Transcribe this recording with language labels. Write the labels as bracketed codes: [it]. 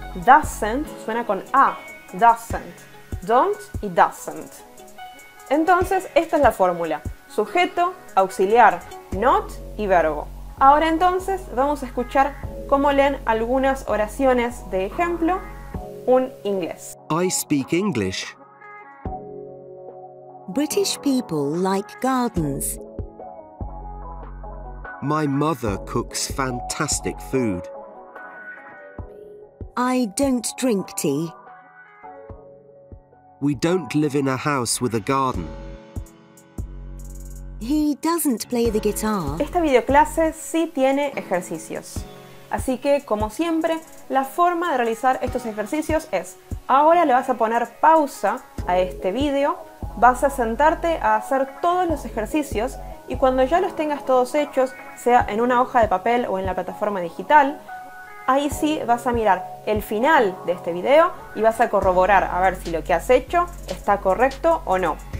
[es] Doesn't suena con A. Doesn't. Don't y doesn't. Entonces, esta es la fórmula. sujeto, auxiliar, not y verbo. Ahora entonces vamos a escuchar cómo leen algunas oraciones de ejemplo un inglés. [en] I speak English. British people like gardens. My mother cooks fantastic food. I don't drink tea. We don't live in a house with a garden. He doesn't play the guitar. [es] Esta videoclase sí tiene ejercicios. Así que, como siempre, la forma de realizar estos ejercicios es: ahora le vas a poner pausa a este video, vas a sentarte a hacer todos los ejercicios y cuando ya los tengas todos hechos, sea en una hoja de papel o en la plataforma digital, ahí sí vas a mirar el final de este video y vas a corroborar a ver si lo que has hecho está correcto o no.